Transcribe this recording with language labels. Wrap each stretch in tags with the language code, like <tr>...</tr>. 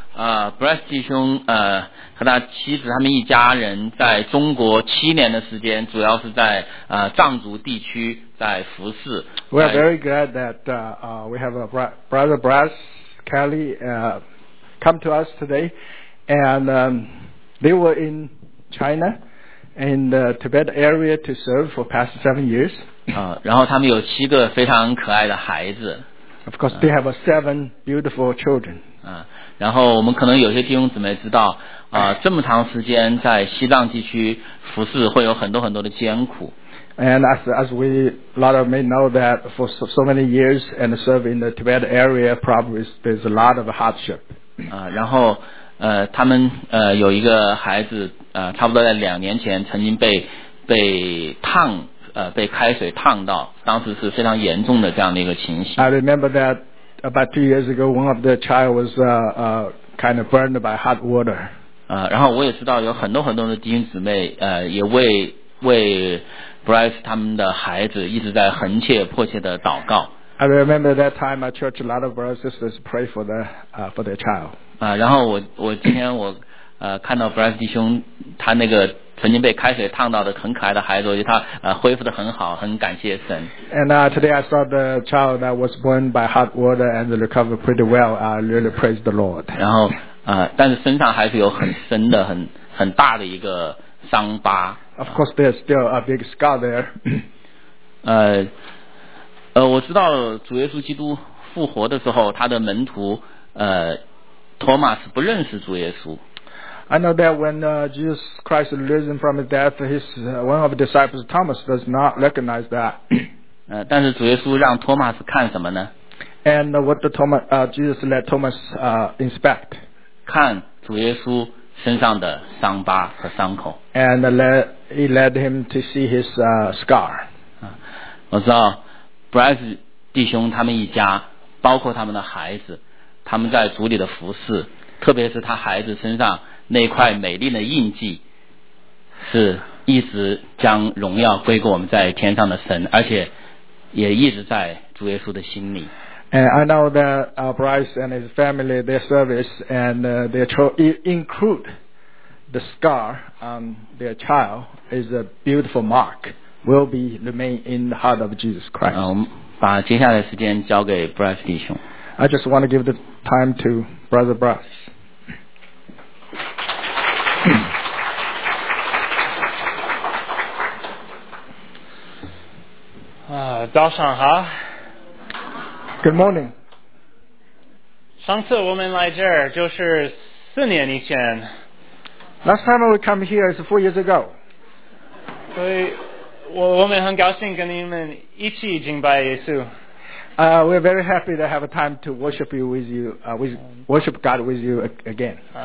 <zh>Brice 弟兄和他妻子他们一家人在中国七年的时间，主要是在藏族地区在服侍。</zh> <en>We are very glad that we have a brother Brice Kelly come to us today, and they were in China in the Tibet area to serve for past 7 years.</en> <zh>然后他们有七个非常可爱的孩子。</zh> <en>Of course, they have seven beautiful children.</en> <zh>然后我们可能有些弟兄姊妹知道，这么长时间在西藏地区服侍会有很多很多的艰苦。</zh> <en>And as we, a lot of may know that for so many years and serve in the Tibet area, probably there's a lot of hardship.</en> <zh>然后他们有一个孩子差不多在两年前曾经被烫。被开水烫到，当时是非常严重的这样的一个情形。</zh> <en>I remember that about 2 years ago, one of the child was kind of burned by hot water.</en> <zh>然后我也知道有很多很多的弟兄姊妹，也为 Brice 他们的孩子一直在恒切迫切的祷告。</zh> <en>I remember that time, my church, a lot of brothers and sisters pray for the for their child.</en> <zh>然后我今天我看到 Brice 弟兄他那个。曾经被开水烫到的很可爱的孩子，我觉得他恢复得很好，很感谢神。</zh> <en>And today I saw the child that was born by hot water and recovered pretty well. I really praise the Lord.</en> <zh>然后但是身上还是有很深的、很大的一个伤疤。</zh> <en>Of course, there's still a big scar there.</en> <zh>我知道主耶稣基督复活的时候，他的门徒托马斯不认识主耶稣。</zh> <en>I know that when Jesus Christ is risen from his death, his one of the disciples, Thomas, does not recognize that.</en> <zh>但是主耶稣让托马斯看什么呢</zh> <en>？And what the Thomas, Jesus let Thomas inspect?</en> <zh>看主耶稣身上的伤疤和伤口。</zh> <en>And he led him to see his scar.</en> <zh>我知道 ，Brice 弟兄他们一家，包括他们的孩子，他们在主里的服侍，特别是他孩子身上。那块美丽的印记是一直将荣耀归给我们在天上的神，而且也一直在主耶稣的心里。</zh> <en>And I know that Brice and his family, their service and their include the scar on their child is a beautiful mark will be remain in the heart of Jesus Christ.</en> <zh>我们把接下来时间交给 Brice 弟兄。</zh> <en>I just want to give the time to Brother Brice.</en> <zh>早上好。</zh> <en>Good morning。</en> <zh>上次我们来这儿就是四年以前。</zh> <en>Last time we come here is 4 years ago。</en> <zh>所以，我们很高兴跟你们一起敬拜耶稣。</zh> <en>We're very happy to have a time to worship you with you, worship God with you again。</en>